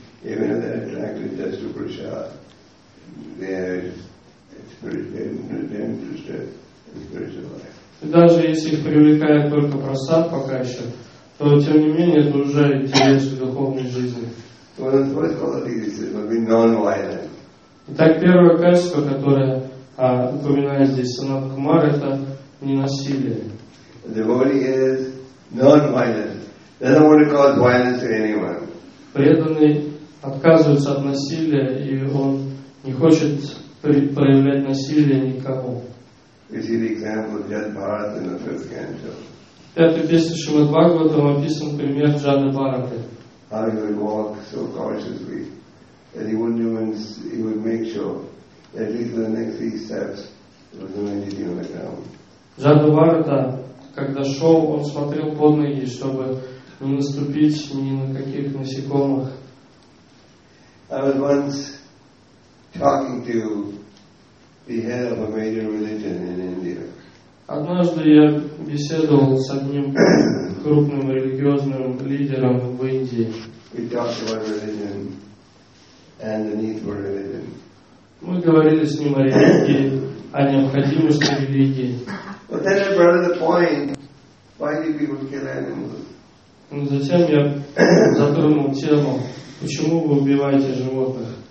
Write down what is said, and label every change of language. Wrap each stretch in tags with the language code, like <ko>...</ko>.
<ru>И даже если их привлекает только просад пока еще, то тем не менее это уже интерес к духовной жизни. Итак, первое качество, которое упоминает здесь Санат Кумар, это ненасилие.</ru> <en>The body is Non-violent. They don't want to cause violence to anyone.</en> <ru>Преданный отказывается от насилия, и он не хочет проявлять насилие никому.</ru> <en>We see the example of Jada Bharata in the first canto.</en> <ru>В пятой песне Шримад Бхагаватам описан пример Джады Бхараты.</ru> <en>How he would walk so cautiously, that he wouldn't even, he would make sure that at least the next three steps there was no entity on the ground.</en> <ru>Джада Бхарата, когда шел, он смотрел под ноги, чтобы не наступить ни на каких насекомых.</ru> <en>I was once talking to the head of a major religion in India.</en> <ru>Однажды я беседовал с одним крупным религиозным лидером в Индии.</ru> <en>We talked about religion and the need for religion.</en> <ru>Мы говорили с ним о религии, о необходимости религии.</ru> <en>But then I brought up the point, why do people kill animals?</en> <ru>Но затем я затронул тему, почему вы убиваете животных?</ru>